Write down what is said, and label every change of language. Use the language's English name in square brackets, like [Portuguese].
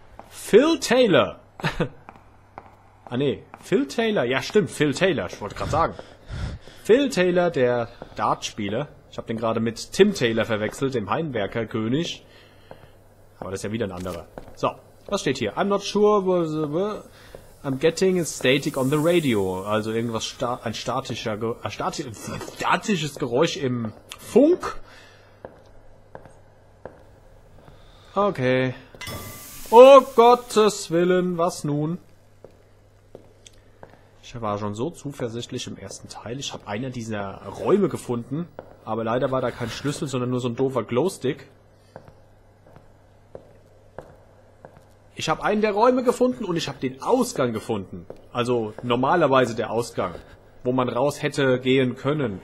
[German] Phil Taylor. Ah ne, Phil Taylor. Ja stimmt, Phil Taylor. Ich wollte gerade sagen. Phil Taylor, der Dartspieler. Ich habe den gerade mit Tim Taylor verwechselt, dem Heimwerkerkönig. Aber das ist ja wieder ein anderer. So, was steht hier? [English] I'm not sure, I'm getting a static on the radio. [German] Also irgendwas statisches Geräusch im Funk. Okay. Oh Gottes Willen, was nun? Ich war schon so zuversichtlich im ersten Teil. Ich habe einer dieser Räume gefunden. Aber leider war da kein Schlüssel, sondern nur so ein doofer Glowstick. Ich habe einen der Räume gefunden und ich habe den Ausgang gefunden. Also normalerweise der Ausgang, wo man raus hätte gehen können.